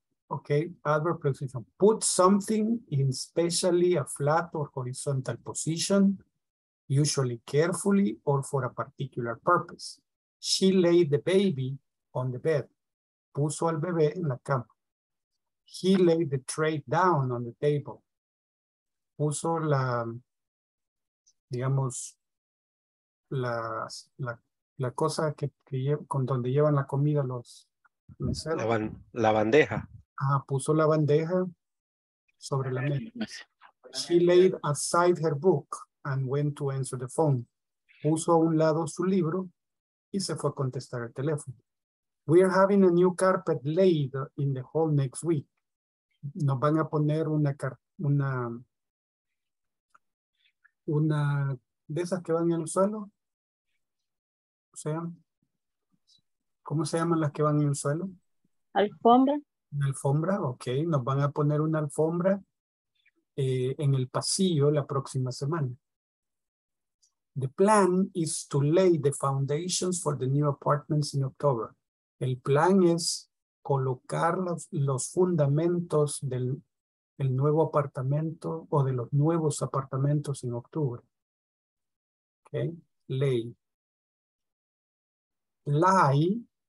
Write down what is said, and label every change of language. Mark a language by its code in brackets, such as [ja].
[en] Okay, adverb preposition. Put something in specially a flat or horizontal position, usually carefully or for a particular purpose. She laid the baby on the bed. [es] Puso al bebé en la cama. [en] He laid the tray down on the table. [es] Puso la, digamos, la cosa con donde llevan la comida los meseros. La bandeja. Puso la bandeja sobre la mesa. [en] She laid aside her book and went to answer the phone. [es] Puso a un lado su libro y se fue a contestar el teléfono. [en] We are having a new carpet laid in the hall next week. [es] Nos van a poner una de esas que van en el suelo. O sea, ¿Cómo se llaman las que van en el suelo? Alfombra. Una alfombra, ok. Nos van a poner una alfombra en el pasillo la próxima semana. [en] The plan is to lay the foundations for the new apartments in October. [es] El plan es colocar los fundamentos del el nuevo apartamento o de los nuevos apartamentos en octubre. [en] Ok. Lay. Lie.